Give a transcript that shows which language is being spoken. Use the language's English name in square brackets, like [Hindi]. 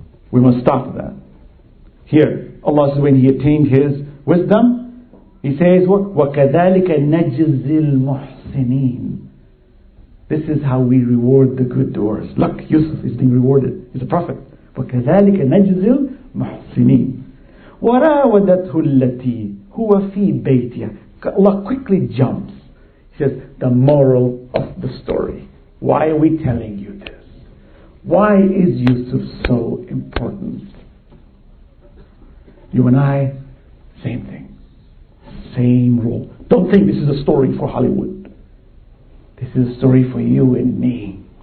[English] We must stop that. Here, Allah says when he attained his wisdom, he says, [Arabic] وَكَذَلِكَ نَجْزِي الْمُحْسِنِينَ [English] This is how we reward the good doers. Look, Yusuf is being rewarded. He's a prophet. [Arabic] وَكَذَلِكَ نَجْزِي الْمُحْسِنِينَ وَرَاوَدَتْهُ الَّتِي هُوَ فِي بَيْتِيَ [English] Allah quickly jumps. He says, the moral of the story. Why are we telling you this? Why is Yusuf so important? You and I, same thing. Same rule. Don't think this is a story for Hollywood. This is a story for you and me.